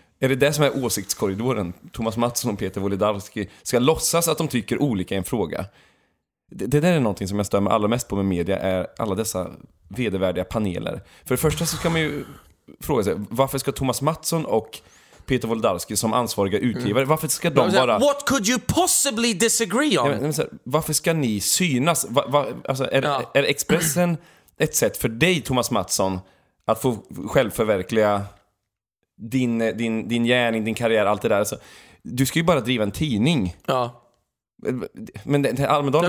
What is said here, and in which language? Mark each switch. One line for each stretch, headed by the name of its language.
Swedish: Är det det som är åsiktskorridoren? Thomas Mattsson och Peter Wolodarski ska låtsas att de tycker olika i en fråga. Det där är någonting som jag stör mig allra mest på med media, är alla dessa vedervärdiga paneler. För det första så kan man ju fråga sig, varför ska Thomas Mattsson och Peter Wolodarski som ansvariga utgivare, varför ska de bara...
English: What could you possibly disagree on?
Swedish: Men, så här, varför ska ni synas? Är Expressen ett sätt för dig, Thomas Mattsson, att få självförverkliga din gärning, din karriär, allt det där? Alltså, du ska ju bara driva en tidning. Ja. Men det, Almedalen,